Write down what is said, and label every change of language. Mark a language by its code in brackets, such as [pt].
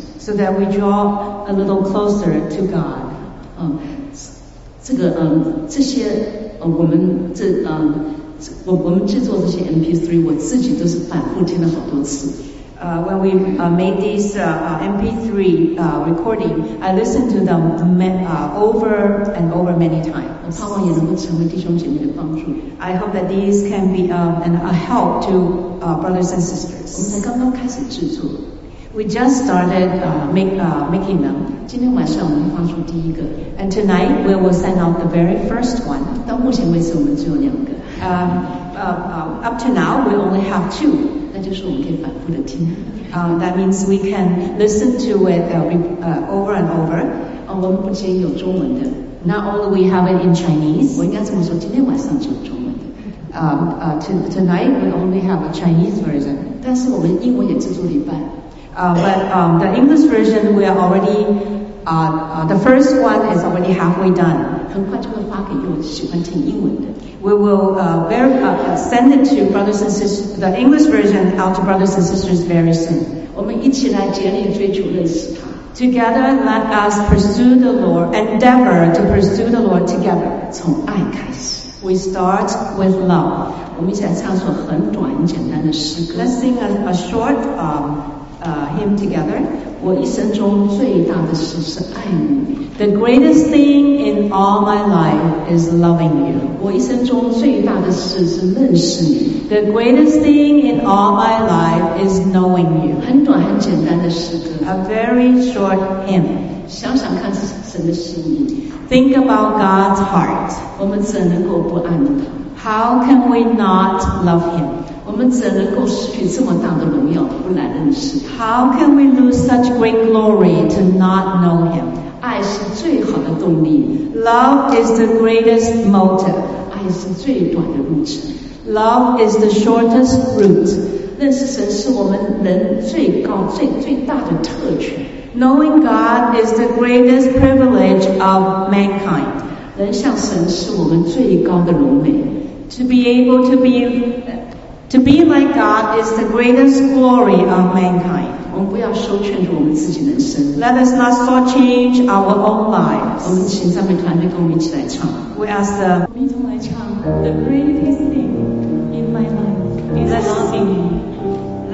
[en] So that we draw a little closer to God. [zh] 这些我们这我们制作这些 MP3 我自己都是反复听了好多次。 [en] When we made these MP3 recording, I listened to them over and over many times. [zh] 我盼望也能够成为弟兄姐妹的帮助。 [en] I hope that these can be a help to brothers and sisters. [zh] 我们才刚刚开始制作。 [en] We just started making them. [zh] 今天晚上我们发出第一个。 [en] And tonight we will send out the very first one. [zh] 到目前为止我们只有两个。 [en] Up to now we only have two. [zh] 那就是我们可以反复的听。 [en] That means we can listen to it over and over. [zh] 我们不仅有中文的。 [en] Not only we have it in Chinese. [zh] 我应该这么说，今天晚上只有中文的。 [en] Tonight we only have a Chinese version. [zh] 但是我们英文也制作了一半。 [en] But the English version we are already the first one is already halfway done. [zh] 很快就会发给有喜欢听英文的。 [en] We will send it to brothers and sisters, the English version out to brothers and sisters very soon. [zh] 我们一起来竭力追求认识他。 [en] Together, let us pursue the Lord, endeavor to pursue the Lord together. [zh] 从爱开始。 [en] We start with love. [zh] 我们一起来唱首很短简单的诗歌。 [en] Let's sing a short him together. [zh] 我一生中最大的事是爱你。 [en] The greatest thing in all my life is loving you. [zh] 我一生中最大的事是认识你。 [en] The greatest thing in all my life is knowing you. [zh] 很短很简单的诗歌。 [en] A very short hymn. [zh] 想想看是神的心意。 [en] Think about God's heart. [zh] 我们怎能够不爱他？ [en] How can we not love him? [zh] 我们怎能够失去这么大的荣耀不来认识？ [en] How can we lose such great glory to not know him? [zh] 爱是最好的动力。 [en] Love is the greatest motive. [zh] 爱是最短的路程。 [en] Love is the shortest route. [zh] 认识神是我们人最高最大的特权。 [en] Knowing God is the greatest privilege of mankind. [zh] 人向神是我们最高的荣美。 [en] To be like God is the greatest glory of mankind. [zh] 我们不要羞怯着我们自己人生。 [en] Let us not shortchange our own lives. [zh] 我们请赞美团队跟我们一起来唱。 [en] We ask [zh] the. 我们一同来唱。 [en] The greatest thing in my life is loving you.